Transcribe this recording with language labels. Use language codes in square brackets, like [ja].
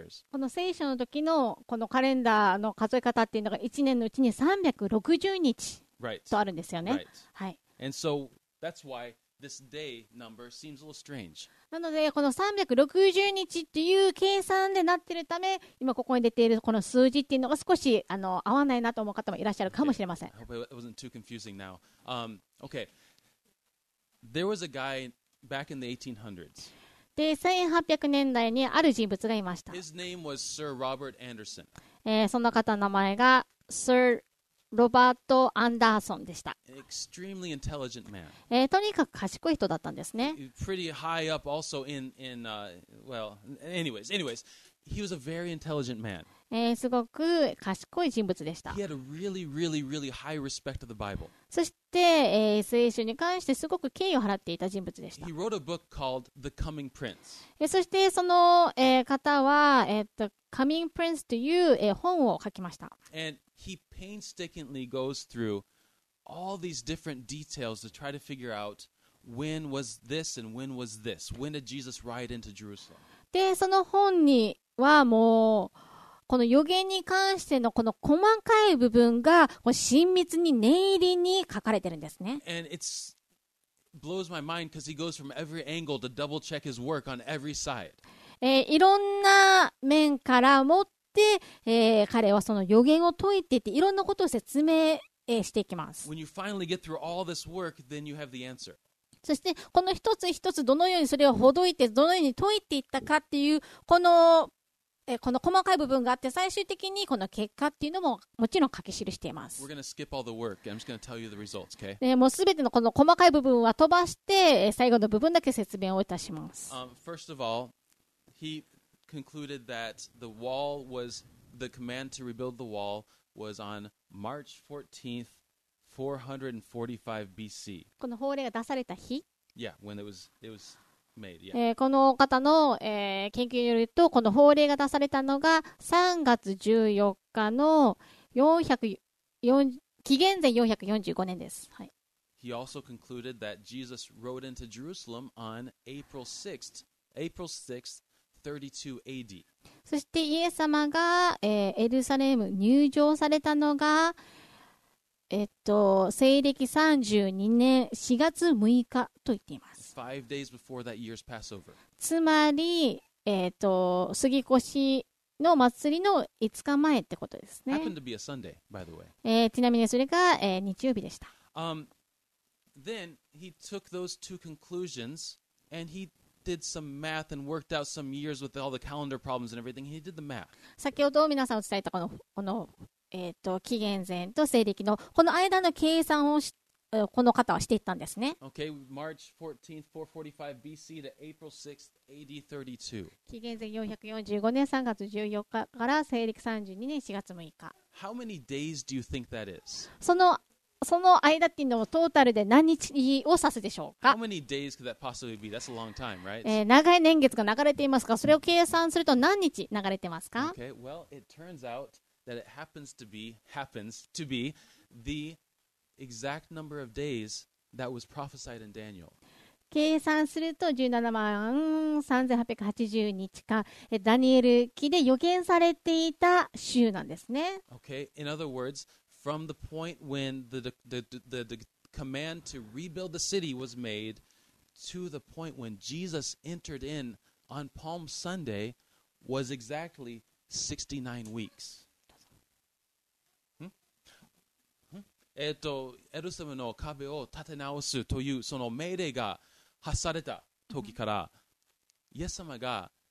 [ja] この聖書の時のこのカレンダーの数え方っていうのが1年のうちに360日とあるんですよね。 [en] Right. [ja] はい。 [en] And so that's why this day number seems a little strange. [ja] なのでこの360日っていう計算でなってるため、今ここに出ているこの数字っていうのが少し合わないなと思う方もいらっしゃるかもしれません。 [en] Okay. I hope it wasn't too confusing now. Okay. There was a guy back in the 1800s. [ja] で、1800年代にある人物がいました。 [en] His name was Sir Robert Anderson. [ja] その方の名前が Sir ロバート・アンダーソンでした。 [en] Extremely intelligent man. [ja] とにかく賢い人だったんですね。 [en] Pretty high up also in well, anyways, he was a very intelligent man. [ja] すごく賢い人物でした。 [en] He had a really, really, really high respect of the Bible. [ja] そして、聖書に関してすごく敬意を払っていた人物でした。 [en] He wrote a book called The Coming Prince. [ja] そしてその、方は、Coming Prince という、本を書きました。 [en] And he painstakingly goes through all these different details to try to figure out when was this and when was this. When did Jesus ride into Jerusalem? [ja] で、その本にはもうこの予言に関してのこの細かい部分が親密に念入りに書かれてるんですね。 [en] And it blows my mind because he goes from every angle to double check his work on every side. [ja] いろんな面からもっとで、彼はその予言を解いていていろんなことを説明、していきます。 [en] work, [ja] そしてこの一つ一つどのようにそれをほどいてどのように解いていったかっていうこの細かい部分があって最終的にこの結果っていうのももちろん書き記しています。 [en] results,、okay? [ja] もうすべてのこの細かい部分は飛ばして最後の部分だけ説明をいたします。 [en] first of all, heconcluded that the wall was the command to rebuild the wall was on March 14th 445 BC. [ja] この法令が出された日? [en] Yeah, when it was made. Yeah. [ja] この方の、研究によるとこの法令が出されたのが3月14日の紀元前445年です。はい。 [en] He also concluded that Jesus rode into Jerusalem on April 6th AD. [ja] そしてイエス様が、エルサレム入城されたのが、西暦32年4月6日と言っています。 [en] Five days before that year's Passover. [ja] つまり、杉越の祭りの5日前ってことですね。 [en] Happened to be a Sunday, by the way. [ja] ちなみにそれが、日曜日でした。 [en] Then he took those two conclusions and he did some math and worked out some years with all the calendar problems and everything. He did the math. [ja] 先ほど皆さんお伝えしたこの、この、紀元前と西暦のこの間の計算をしこの方はしていったんですね。 [en] Okay, March 14th, 445 BC to April 6th, AD 32. [ja] 紀元前445年3月14日から西暦32年4月6日。 [en] How many days do you think that is? [ja] その間っていうのをトータルで何日を指すでしょうか? [en] How many days could that possibly be? That's a long time, right? [ja] 長い年月が流れていますか? それを計算すると何日流れてますか? [en] Okay, well, it turns out that it happens to be the exact number of days that was prophesied in Daniel. [ja] 計算すると173,880日か、ダニエル記で予言されていた週なんですね。 [en] Okay, in other words,From the point when the command to rebuild the city was made to the point when Jesus entered in on Palm Sunday was exactly 69 weeks. [ja] エルサレムの壁を建て直すというその命令が発された時から、イエス様が、